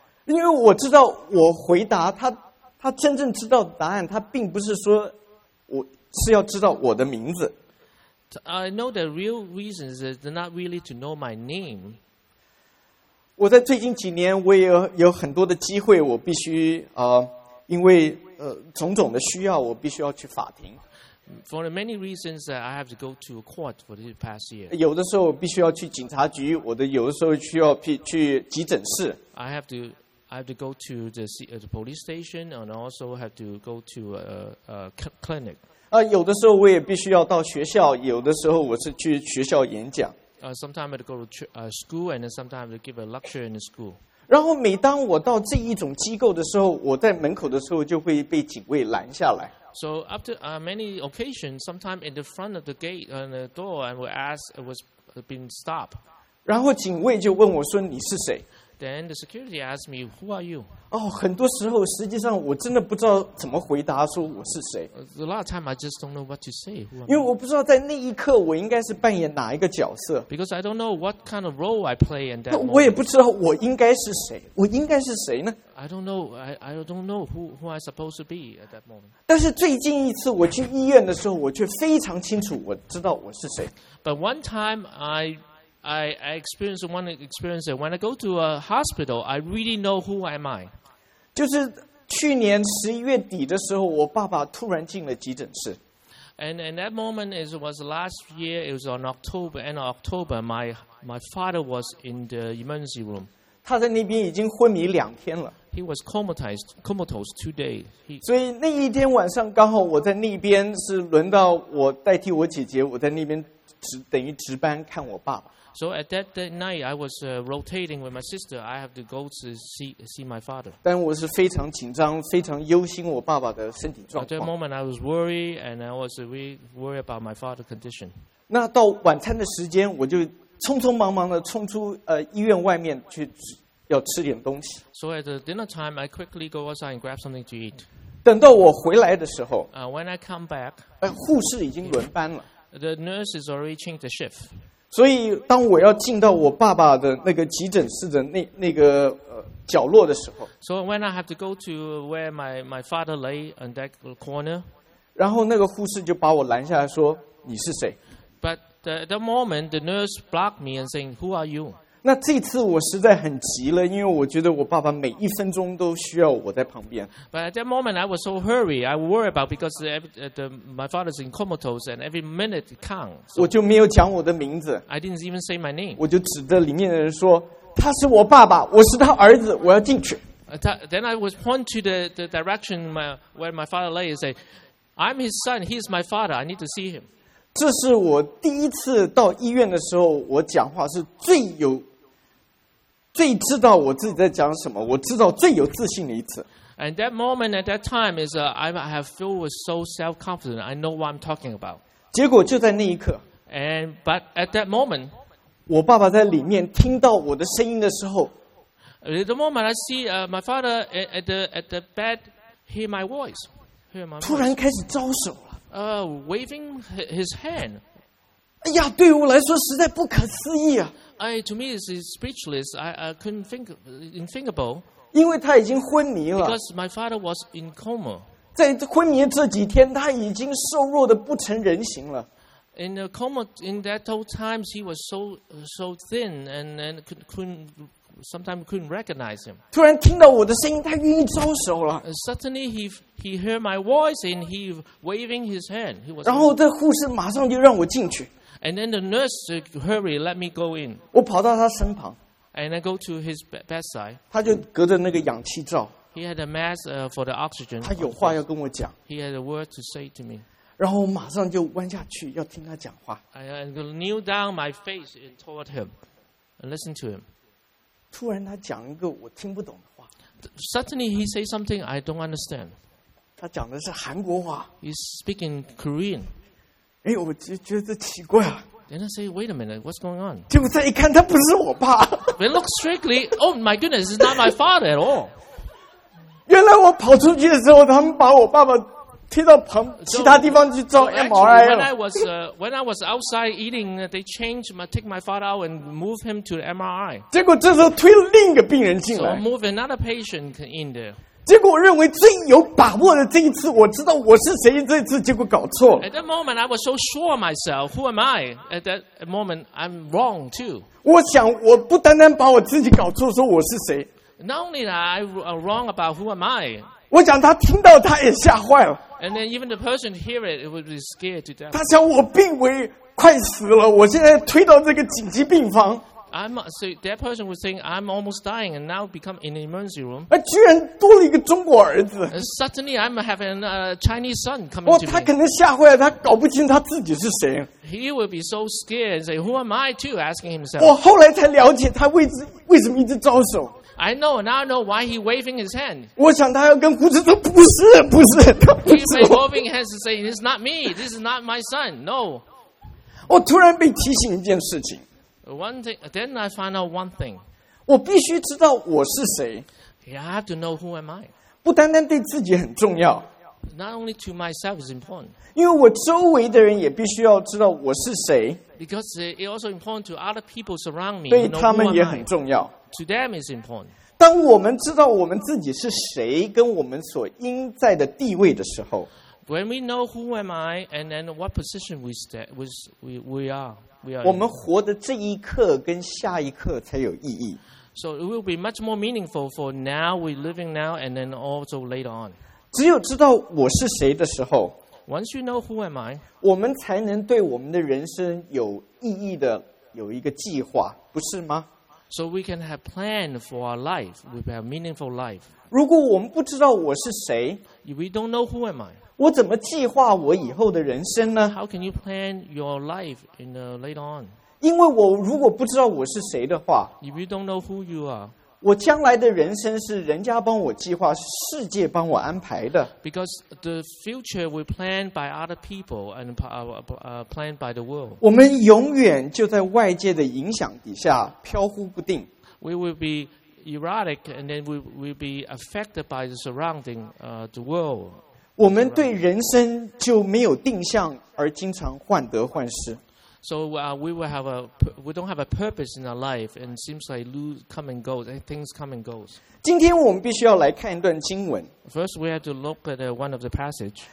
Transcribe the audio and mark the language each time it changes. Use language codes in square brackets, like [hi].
[zh] 因为我知道我回答他真正知道的答案，他并不是说我是要知道我的名字。 [en] I know the real reason is they're not really to know my name. [zh] 我在最近几年我也有很多的机会我必须、因为、种种的需要我必须要去法庭 [en] For the many reasons I have to go to a court for this past year [zh] 有的时候我必须要去警察局我的有的时候需要去急诊室 [en] I have to go to the police station and also have to go to a clinic、 [zh] 有的时候我也必须要到学校有的时候我是去学校演讲 [en] Sometimes I go to school, and then sometimes I give a lecture in the school. [zh] 然后每当我到这一种机构的时候，我在门口的时候就会被警卫拦下来。 [en] So after many occasions, sometimes in the front of the gate and the door, I was asked, was being stopped. [zh] 然后警卫就问我说：“你是谁？” [en] Then the security asked me, "Who are you?" [zh] 哦，很多时候实际上我真的不知道怎么回答，说我是谁。 [en] A lot of time, I just don't know what to say. [zh] 因为我不知道在那一刻我应该是扮演哪一个角色。 [en] Because I don't know what kind of role I play in that. [zh] 我也不知道我应该是谁，我应该是谁呢 [en] ？I don't know. I don't know who I supposed to be at that moment. [zh] 但是最近一次我去医院的时候，我却非常清楚，我知道我是谁。 [en] But one time I experienced one experience when I go to a hospital. I really know who am I. [zh] 就是去年十一月底的时候，我爸爸突然进了急诊室。 [en] And in that moment, it was last year. It was on October, end of October. My father was in the emergency room. [zh] 他在那边已经昏迷两天了。 [en] He was comatose 2 days. [zh] 所以那一天晚上刚好我在那边是轮到我代替我姐姐，我在那边等于值班看我爸爸。 [en] So at that night, I was rotating with my sister. I have to go to see my father. [zh] 但我是非常紧张，非常忧心我爸爸的身体状况。 [en] At that moment, I was worried, and I was really worried about my father's condition. [zh] 那到晚餐的时间，我就匆匆忙忙的冲出医院外面去要吃点东西。 [en] So at the dinner time, I quickly go outside and grab something to eat. [zh] 等到我回来的时候 [en] ，When I come back, [zh] 护士已经轮班了。 [en] The nurse is already changed the shift. [zh] 所以当我要进到我爸爸的那个急诊室的 那个角落的时候 [en] So when I have to go to where my father lay in that corner [zh] 然后那个护士就把我拦下来说你是谁 [en] But at the moment the nurse blocked me and saying who are you [zh] 那这次我实在很急了因为我觉得我爸爸每一分钟都需要我在旁边 [en] But at that moment I was so hurried I worry about because my father's in comatose and every minute counts、so、 [zh] 我就没有讲我的名字 [en] I didn't even say my name [zh] 我就指着里面的人说他是我爸爸，我是他儿子，我要进去。 [en] Then I was point to the direction where my father lay and say, "I'm his son. He's my father. I need to see him." [zh] 这是我第一次到医院的时候，我讲话是最有最知道我自己在讲什么，我知道最有自信的一次。 [en] And that moment at that time is I have feel was so self confident. I know what I'm talking about. [zh] 结果就在那一刻。 [en] And but at that moment. [zh] 我爸爸在里面听到我的声音的时候 [en] At the moment I see my father at the bed hear my voice [zh] 突然开始招手了 [en] Waving his hand [zh] 哎呀对我来说实在不可思议啊 [en] To me it's speechless I couldn't think unthinkable [zh] 因为他已经昏迷了 [en] Because my father was in coma [zh] 在昏迷这几天他已经瘦弱的不成人形了 [en] In a coma, in that whole time, he was so thin, and couldn't recognize him. [zh] 突然听到我的声音，他愿意招手了。 [en] Suddenly, he heard my voice, and he waving his hand. He was. [zh] 然后这护士马上就让我进去。 [en] And then the nurse hurry let me go in. [zh] 我跑到他身旁。 [en] And I go to his bedside. [zh] 他就隔着那个氧气罩。 [en] He had a mask for the oxygen. [zh] 他有话要跟我讲。 [en] He had a word to say to me. [zh] 然后我马上就弯下去要听他讲话。 [en] I kneel down my face toward him, and listen to him. [zh] 突然他讲一个我听不懂的话。 [en] Suddenly he say something I don't understand. [zh] 他讲的是韩国话。 [en] He's speaking Korean. [zh] 哎，我就觉得奇怪啊。 [en] Then I say, wait a minute, what's going on? [zh] 结果再一看，他不是我爸。 [en] They look strictly, oh my goodness, it's not my father at all. [zh] 原来我跑出去的时候，他们把我爸爸。踢到旁其他地方去照 MRI 了。 [en] When I was outside eating, they changed my take my father out and move him to the MRI. [zh] 结果这时候推了另一个病人进来。 [en] So move another patient in there. [zh] 结果我认为最有把握的这一次，我知道我是谁。这一次结果搞错了。 [en] At that moment, I was so sure of myself. Who am I? At that moment, I'm wrong too. [zh] 我想我不单单把我自己搞错，说我是谁。 [en] Not only that, I wrong about who am I. [zh] 我想他听到他也吓坏了。 [en] And then even the person hear it, it would be scared to death. [zh] 他想我病危快死了，我现在推到这个紧急病房。 [en] So that person would think I'm almost dying, and now become in the emergency room. [zh] 居然多了一个中国儿子。 [en] Suddenly, I'm having a Chinese son coming. [zh] 他可能吓坏了，他搞不清他自己是谁。 [en] He would be so scared and say, "Who am I?" too, asking himself. [zh] 我后来才了解他为什么一直招手。 [en] I know, now I know why he waving his hand. [zh] 我想他要跟护士说不是不是他不是我。 [en] He's waving hands and saying, it's not me, this is not my son, no. [zh] 我突然被提醒一件事情。 [en] One thing, then I find out one thing. [zh] 我必须知道我是谁。 [en] Yeah, I have to know who am I. [zh] 不单单对自己很重要。 [en] Not only to myself is important. [zh] 因为我周围的人也必须要知道我是谁。 [en] Because it also important to other people surround me. [zh] 对他们也很重要。 [en] To them is important. [zh] 当我们知道我们自己是谁，跟我们所应在的地位的时候 [en] ，When we know who am I and then what position we stand, we are. [zh] 我们活的这一刻跟下一刻才有意义。 [en] So it will be much more meaningful for now we living now and then also later on. [zh] 只有知道我是谁的时候 [en] ，Once you know who am I, [zh] 我们才能对我们的人生有意义的有一个计划，不是吗？ [en] So we can have plan for our life, we have meaningful life. [zh] 如果我们不知道我是谁 [en] If we don't know who am I, [zh] 我怎么计划我以后的人生呢 [en] How can you plan your life in the later on? [zh] 因为我如果不知道我是谁的话 [en] If we don't know who you are, [zh] 我将来的人生是人家帮我计划，是世界帮我安排的 [en] Because the future we plan by other people and planned by the world. [zh] 我们永远就在外界的影响底下飘忽不定。 [en] We will be erratic and then we will be affected by the surrounding, the world. [zh] 我们对人生就没有定向，而经常患得患失。 [en] So we don't have a purpose in our life, and it seems like lose come and goes, and things come and goes. [zh] 今天我们必须要来看一段经文。 [en] First, we have to look at one of the passage.